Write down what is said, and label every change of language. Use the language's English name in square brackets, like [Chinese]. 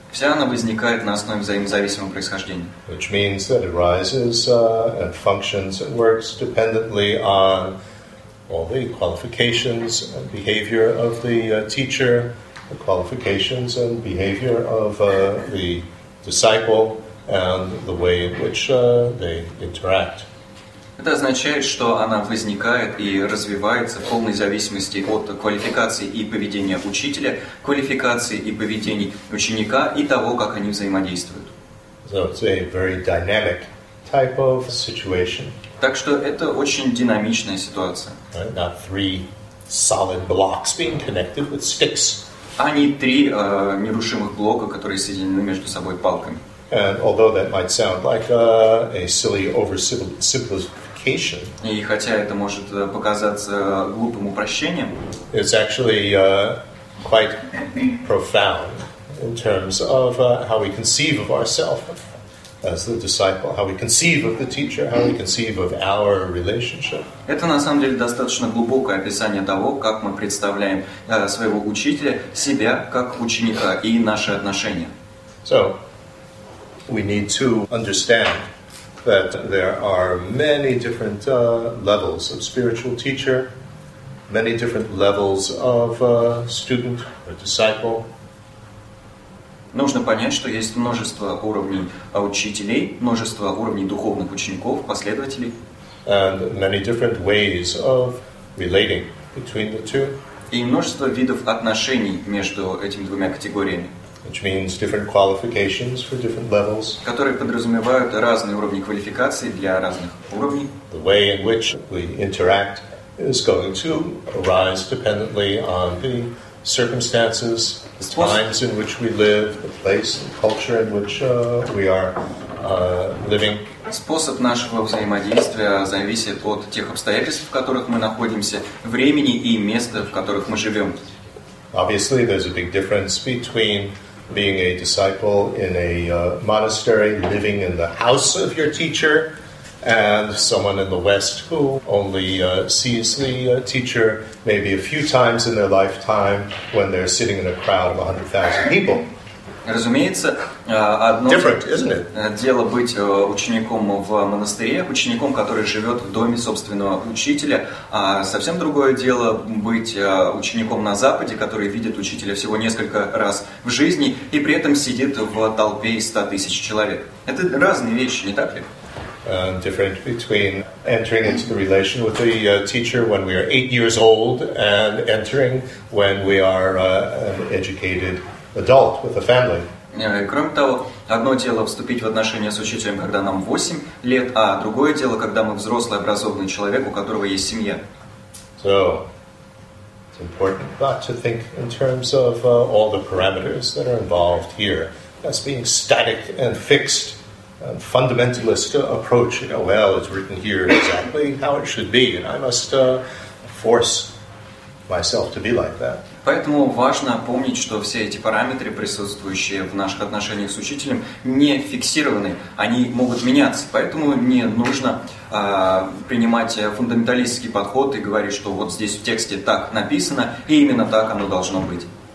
[Russian] Вся она возникает на основе взаимозависимого происхождения. [English] Which means that it arises and functions and works dependently on all the qualifications and behavior of the teacher, the qualifications and behavior of the disciple, and the way in which they interact. [Russian] Это означает, что она возникает и развивается в полной зависимости от квалификации и поведения учителя, квалификации и поведений ученика и того, как они взаимодействуют. [English] So it's a very dynamic type of situation. [Russian] Так что это очень динамичная ситуация. [English] Right? Not three solid blocks being connected with sticks. [Russian] А не три нерушимых блока, которые соединены между собой палками. [English] And although that might sound like a silly oversimplification, [Russian] и хотя это может показаться глупым упрощением, [English] it's actually quite profound in terms of how we conceive of ourselves as the disciple, how we conceive of the teacher, how we conceive of our relationship. [Russian] Это на самом деле достаточно глубокое описание того, как мы представляем своего учителя, себя как ученика и наши отношения. [English] So we need to understand that there are many different levels of spiritual teacher, many different levels of student or disciple. [Russian] Нужно понять, что есть множество уровней учителей, множество уровней духовных учеников, последователей. [English] And many different ways of relating between the two. [Russian] И множество видов отношений между этими двумя категориями. [English] Which means different qualifications for different levels. [Russian] Которые подразумевают разные уровни квалификации для разных уровней. [English] The way in which we interact is going to arise dependently on the circumstances, the times in which we live, the place, the culture in which we are living. [Russian] Способ нашего взаимодействия зависит от тех обстоятельств, в которых мы находимся, времени и места, в которых мы живем. [English] Obviously, there's a big difference between being a disciple in a monastery, living in the house of your teacher, and someone in the West who only sees the teacher maybe a few times in their lifetime when they're sitting in a crowd of 100,000 people. [Russian] Разумеется, одно [English] different, isn't it? [Russian] Дело быть учеником в монастыре, учеником, который живет в доме собственного учителя, а совсем другое дело быть учеником на Западе, который видит учителя всего несколько раз в жизни и при этом сидит в толпе из 100 тысяч человек. Это разные вещи, не так ли? [English] Different between entering into the relation with the teacher when we are 8 years old and entering when we are an educated adult with a family. [Russian] Кроме того, одно дело вступить в отношения с учителем, когда нам 8 лет, а другое дело, когда мы взрослый образованный человек, у которого есть семья. [English] So, it's important not to think in terms of all the parameters that are involved here. That's being static and fixed and fundamentalist approach. You know, well, it's written here exactly how it should be, and I must force myself to be like that. [Russian] Поэтому важно помнить, что все эти параметры, присутствующие в наших отношениях с учителем, не фиксированы, они могут меняться. Поэтому не нужно принимать фундаменталистский подход и говорить, что вот здесь в тексте так написано, и именно так оно должно быть.